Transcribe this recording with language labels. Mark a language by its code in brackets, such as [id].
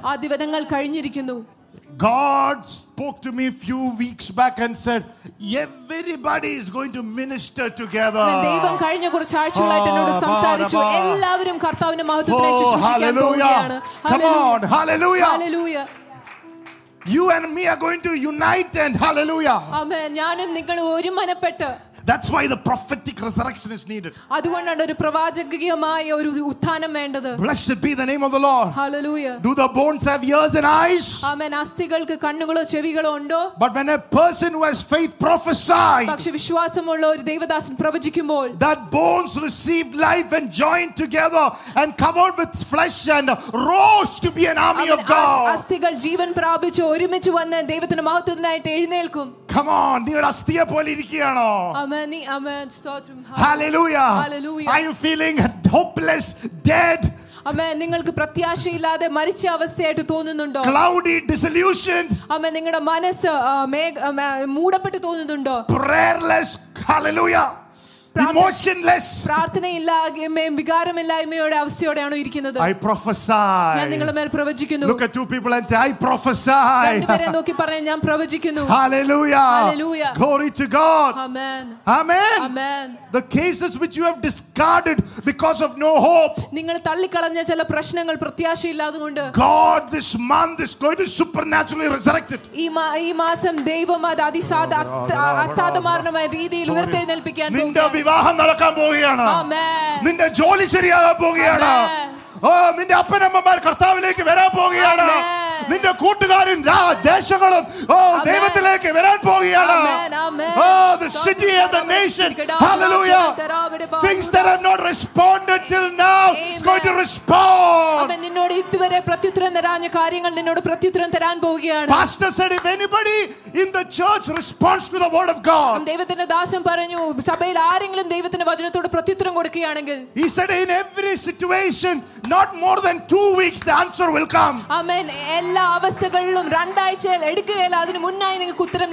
[ml] ആ ദിവസങ്ങൾ കഴിഞ്ഞിരിക്കുന്നു. [en] God spoke to me a few weeks back and said everybody is going to minister together. [ml] ദൈവം കഴിഞ്ഞ കുറച്ച് ആഴ്ചകളായിട്ട് എന്നോട് സംസാരിച്ചു, എല്ലാവരും കർത്താവിന്റെ മഹത്വത്തിലേക്ക് ശുശ്രൂഷിക്കാൻ പോവുകയാണ്. [en] Come on, hallelujah. Hallelujah. You and me are going to unite and hallelujah. [ml] Amen. ഞാനും നിങ്ങളും ഒരുമനപ്പെട്ട്. [en] That's why the prophetic resurrection is needed. [ml] അതുകൊണ്ടാണ് ഒരു പ്രവാചകീയമായ ഒരു ഉത്ഥാനം വേണ്ടത്. [en] Blessed be the name of the Lord. Hallelujah. Do the bones have ears and eyes? [ml] Amen. അസ്ഥികൾക്ക് കണ്ണുകളോ ചെവികളോ ഉണ്ടോ? [en] But when a person who has faith prophesies, [ml] പക്ഷേ വിശ്വാസമുള്ള ഒരു ദൈവദാസൻ പ്രവചിക്കുമ്പോൾ, [en] that bones received life and joined together and covered with flesh and rose to be an army of God. [ml] അസ്ഥികൾ ജീവൻ പ്രാപിച്ച് ഒരുമിച്ച് വന്ന് ദൈവത്തിന്റെ മഹത്വത്തിനായിട്ട് എഴുന്നേൽക്കും. [en] Come on, [ml] നീ ഒരു അസ്ഥിയെ പോലെ ഇരിക്കുകയാണോ? [en] Amen. Amen. Stotram. Hallelujah. Hallelujah. I am feeling hopeless, dead. Amen. [ml] നിങ്ങൾക്ക് പ്രത്യാശയില്ലാതെ മരിച്ച അവസ്ഥയായിട്ട് തോന്നുന്നുണ്ടോ? [en] Cloudy, disillusioned. Amen. [ml] നിങ്ങളുടെ മനസ്സ് മൂടപ്പെട്ട് തോന്നുന്നുണ്ടോ? [en] Prayerless. Hallelujah. Emotionless. [ml] പ്രാർത്ഥനയില്ലായ്മയും വികാരമില്ലായ്മയുടെ അവസ്ഥയോടെയാണ് ഇരിക്കുന്നത്. [en] I prophesy. [ml] ഞാൻ നിങ്ങളുടെ മേൽ പ്രവചിക്കുന്നു. [en] Look at two people and say, I prophesy. [ml] രണ്ടുപേരെ നോക്കി പറയാൻ ഞാൻ പ്രവചിക്കുന്നു. [en] Hallelujah. Hallelujah. Glory to God. Amen. Amen. Amen. The cases which you have discarded because of no hope. [ml] നിങ്ങൾ തള്ളിക്കളഞ്ഞ ചില പ്രശ്നങ്ങൾ പ്രത്യാശയില്ലാതുകൊണ്ട്, [en] God this month is going to supernaturally resurrect it. [ml] ഈ മാസം ദൈവം അത് അസാധാരണമായ രീതിയിൽ ഉയർത്തെഴുന്നേൽപ്പിക്കാൻ പോകുന്നു. വിവാഹം നടക്കാൻ പോവുകയാണ്. നിന്റെ ജോലി ശരിയാകാൻ പോവുകയാണ്. ഓ, നിന്റെ അപ്പനമ്മമാർ കർത്താവിലേക്ക് വരാൻ പോവുകയാണ്. നിന്റെ കൂട്ടുകാരും ദേശങ്ങളും ഓ ദൈവത്തിലേക്ക് വരാൻ പോവുകയാണ്. [en] Oh, the city and the nation. Hallelujah. Things that have not responded till now is going to respond. [ml] അവൻ നിന്നോട് ഇതുവരെ പ്രത്യുത്തരം തരാഞ്ഞ കാര്യങ്ങൾ നിന്നോട് പ്രത്യുത്തരം തരാൻ പോവുകയാണ്. [en] Pastor said if anybody in the church responds to the word of God. [ml] ദൈവത്തിന്റെ ദാസൻ പറഞ്ഞു, സഭയിൽ ആരെങ്കിലും ദൈവത്തിന്റെ വചനത്തോട് പ്രത്യുത്തരം കൊടുക്കുകയാണെങ്കിൽ, [en] he said in every situation not more than 2 weeks the answer will come. Amen. [ml] എല്ലാ അവസ്ഥകളിലും രണ്ടാഴ്ചയിൽ എടുക്കുകയല്ല, അതിന് മുന്നായി നിങ്ങൾക്ക് ഉത്തരം